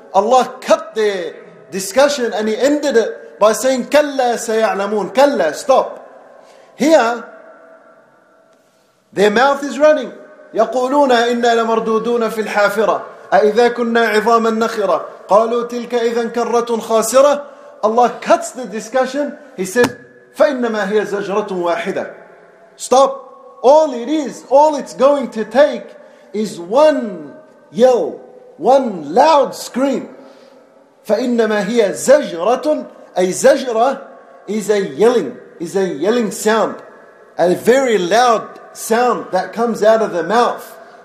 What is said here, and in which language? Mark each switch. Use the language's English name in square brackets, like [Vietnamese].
[English] Allah cut their discussion and He ended it by saying, [Arabic] كَلَّا سَيَعْلَمُونَ. [English] كَلَّا, stop. Here, their mouth is running. [Arabic] يقولون إنا لمردودون في الحافرة أئذا كنا عظاما نخرة قالوا تلك إذا كرة خاسرة. [English] Allah cuts the discussion. He says, [Arabic] فإنما هي زجرة واحدة. [English] Stop. All it is, all it's going to take is one yell, one loud scream. [Arabic] فإنما هي زجرة, أي زجرة [English] is a yelling, is a yelling sound, a very loud sound that comes out of the mouth.